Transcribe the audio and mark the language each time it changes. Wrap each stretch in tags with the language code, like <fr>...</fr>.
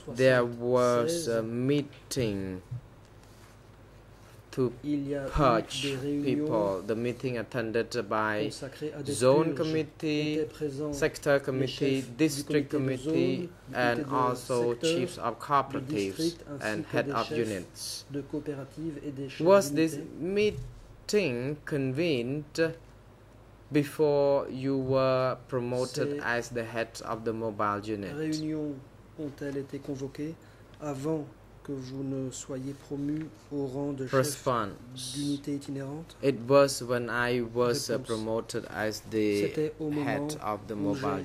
<en>there was a meeting to purge people, the meeting attended by zone committee, sector committee, district committee, and also chiefs of cooperatives and head of units. Was this meeting convened before you were promoted as the head of the mobile unit?</en> <fr>Réunions ont-elles été convoquées avant que vous ne soyez promu au rang de chef</fr> <en>Response.</en> <fr>D'unité itinérante?</fr> <en>It was when I was promoted as the head of the mobile</en>